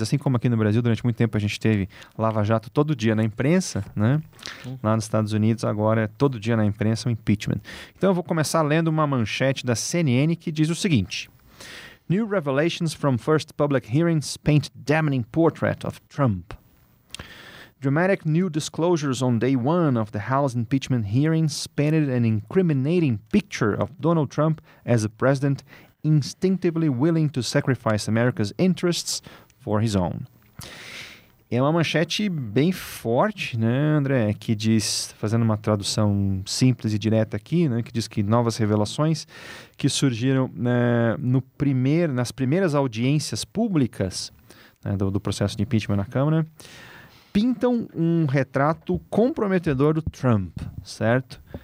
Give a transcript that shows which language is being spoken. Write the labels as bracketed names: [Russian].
[Portuguese] Assim como aqui no Brasil, durante muito tempo a gente teve Lava Jato todo dia na imprensa, né? Lá nos Estados Unidos agora é todo dia na imprensa o impeachment. Então eu vou começar lendo uma manchete da CNN que diz o seguinte: [English] New revelations from first public hearings paint damning portrait of Trump. Dramatic new disclosures on day one of the House impeachment hearings painted an incriminating picture of Donald Trump as a president instinctively willing to sacrifice America's interests for his own. [Portuguese] É uma manchete bem forte, né, André, que diz, fazendo uma tradução simples e direta aqui, né, que diz que novas revelações que surgiram, né, nas primeiras audiências públicas, né, do processo de impeachment na Câmara, pintam um retrato comprometedor do Trump, certo?